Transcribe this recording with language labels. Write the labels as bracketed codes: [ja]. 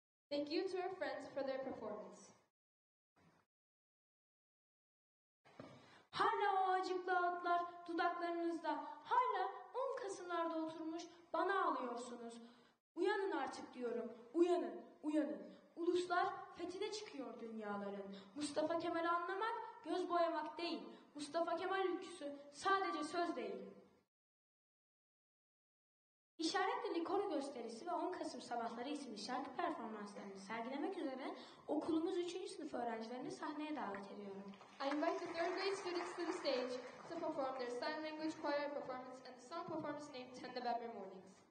[en] Thank you to our friends for their performance. [tr] Hala o acıklı atlar dudaklarınızda, hala on kasımlarda oturmuş bana ağlıyorsunuz. Uyanın artık diyorum, uyanın, uyanın. Uluslar fethine çıkıyor dünyaların. Mustafa Kemal'i anlamak göz boyamak değil. Mustafa Kemal ülküsü sadece söz değil. İşaretli Likoro gösterisi ve 10 Kasım sabahları isimli şarkı performanslarını sergilemek üzere okulumuz 3. sınıf öğrencilerini sahneye davet ediyorum. [en] I invite the 3rd grade students to the stage to perform their sign language choir performance and the song performance named 10 November Mornings.